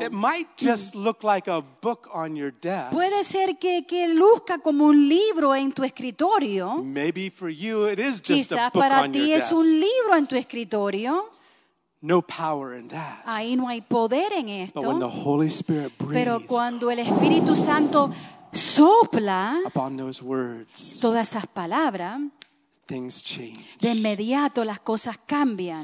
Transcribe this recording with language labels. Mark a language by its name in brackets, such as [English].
[English] It might just look like a book on your desk. [Spanish] Puede ser que luzca como un libro en tu escritorio. [English] Maybe for you it is just a book on your desk. [Spanish] Quizás para ti es un libro en tu escritorio. [English] No power in that. [Spanish] Ahí no hay poder en esto. [English] But when the Holy Spirit breathes, [Spanish] pero cuando el Espíritu Santo sopla [English] upon those words, [Spanish] todas esas palabras, [English] things change. [Spanish] De inmediato las cosas cambian.